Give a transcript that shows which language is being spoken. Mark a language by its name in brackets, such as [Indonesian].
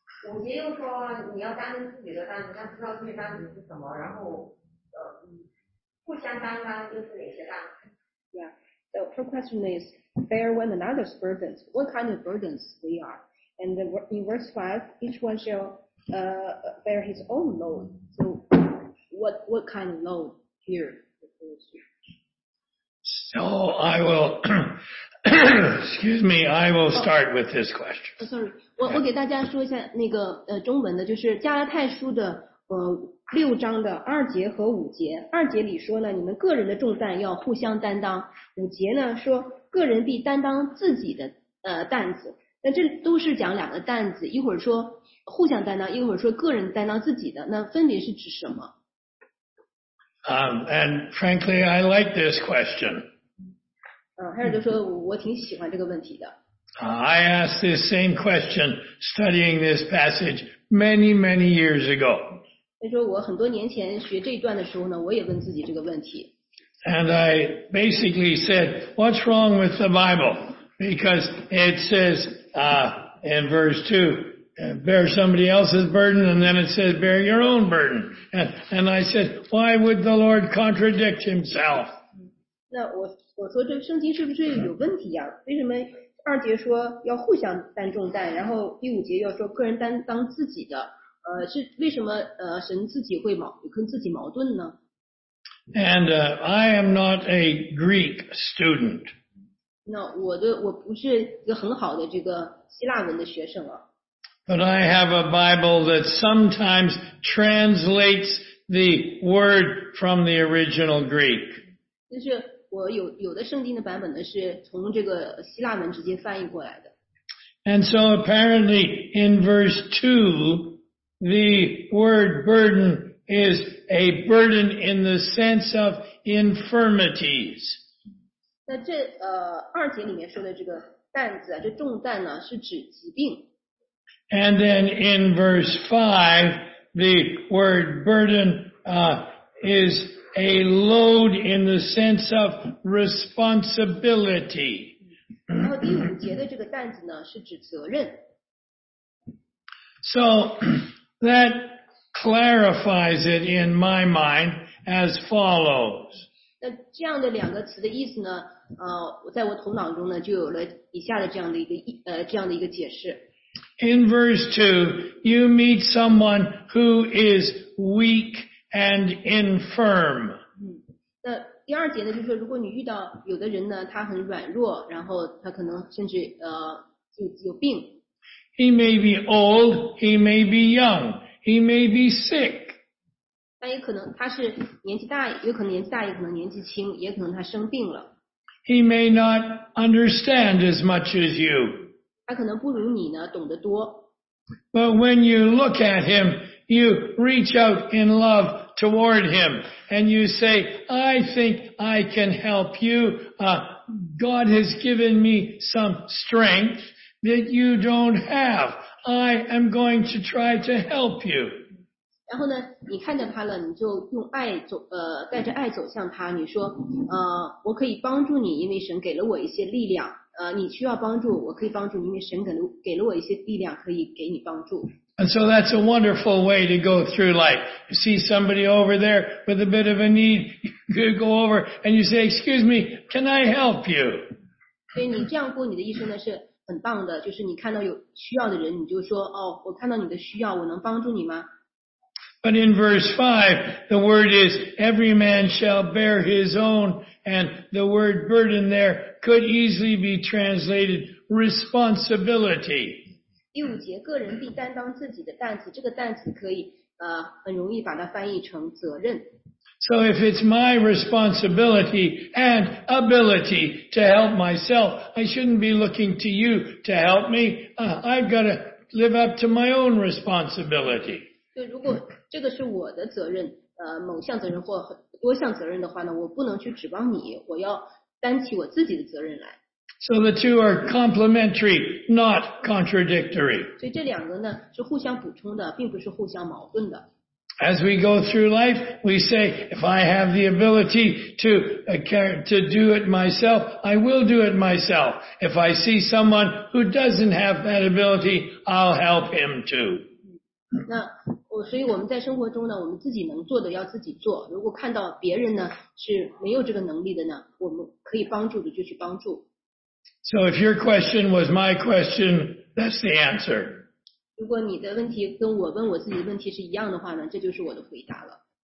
[Chinese] 五节又说你要担自己的担子，但不知道这些担子是什么，然后互相担当又是哪些担子？ [English] Yeah. The first question is bear one another's burdens. What kind of burdens we are? And in verse 5, each one shall bear his own load. So what kind of load here? So I will. Excuse me, I will start with this question. Oh, sorry, [Chinese] 我给大家说一下那个中文的，就是加拉太书的六章的二节和五节。二节里说呢，你们个人的重担要互相担当。五节呢说，个人必担当自己的担子。那这都是讲两个担子，一会儿说互相担当，一会儿说个人担当自己的，那分别是指什么？ [English] And frankly, I like this question. I asked this same question studying this passage many, many years ago. [Chinese] 他说我很多年前学这段的时候呢，我也问自己这个问题。 [English] And I basically said, what's wrong with the Bible? Because it says, in verse 2,bear somebody else's burden, and then it says bear your own burden. And I said, why would the Lord contradict himself? [Chinese] 那我说这圣经是不是有问题呀？为什么二节说要互相担重担，然后第五节要说个人担当自己的？是为什么神自己会跟自己矛盾呢？ [English] And I am not a Greek student. [Chinese] 那我不是一个很好的这个希腊文的学生啊。 [English] But I have a Bible that sometimes translates the word from the original Greek. [Chinese] 就是我有的圣经的版本呢，是从这个希腊文直接翻译过来的。 [English] And so apparently in verse 2, the word burden is a burden in the sense of infirmities. [Chinese] 那这二节里面说的这个担子啊，这重担呢，是指疾病。 [English] And then in verse 5, the word burden, is a load in the sense of responsibility. [Chinese] 然后第五节的这个担子呢，是指责任。 [English] So, that clarifies it in my mind as follows. [Chinese] 那这样的两个词的意思呢，在我头脑中呢，就有了以下的这样的一个这样的一个解释。 [English] In verse 2, you meet someone who is weak and infirm. [Chinese] 那第二节呢，就是说，如果你遇到有的人呢，他很软弱，然后他可能甚至有病。 [English] He may be old, he may be young, he may be sick. [Chinese] 但也可能他是年纪大，有可能年纪大，也可能年纪轻，也可能他生病了。 [English] He may not understand as much as you. [Chinese] 他可能不如你呢，懂得多。 [English] But when you look at him, you reach out in love toward him, and you say, I think I can help you. God has given me some strength that you don't have. I am going to try to help you. [Chinese] 然后呢，你看着他了，你就用爱走，带着爱走向他，你说，我可以帮助你，因为神给了我一些力量。你需要帮助，我可以帮助你，因为神给了我一些力量，可以给你帮助。 [English] And so that's a wonderful way to go through life. You see somebody over there with a bit of a need, you go over and you say, excuse me, can I help you? [Chinese] 所以你这样过你的一生呢，是很棒的，就是你看到有需要的人，你就说，哦，我看到你的需要，我能帮助你吗？ [English] But in verse 5, the word is, every man shall bear his own, and the word burden there could easily be translated responsibility. [Chinese] 第五节，个人必担当自己的担子，这个担子可以很容易把它翻译成责任。 [English] So if it's my responsibility and ability to help myself, I shouldn't be looking to you to help me. I've got to live up to my own responsibility. [Chinese] 就如果这个是我的责任，某项责任或多项责任的话呢，我不能去指望你，我要担起我自己的责任来。 [English] So the two are complementary, not contradictory. [Chinese] 所以这两个呢是互相补充的，并不是互相矛盾的。 [English] As we go through life, we say, if I have the ability to do it myself, I will do it myself. If I see someone who doesn't have that ability, I'll help him too. [Chinese] 那所以我们在生活中呢，我们自己能做的要自己做。如果看到别人呢是没有这个能力的呢，我们可以帮助的就去帮助。 [English] So if your question was my question, that's the answer. [Chinese] 如果你的问题跟我问我自己的问题是一样的话呢，这就是我的回答了。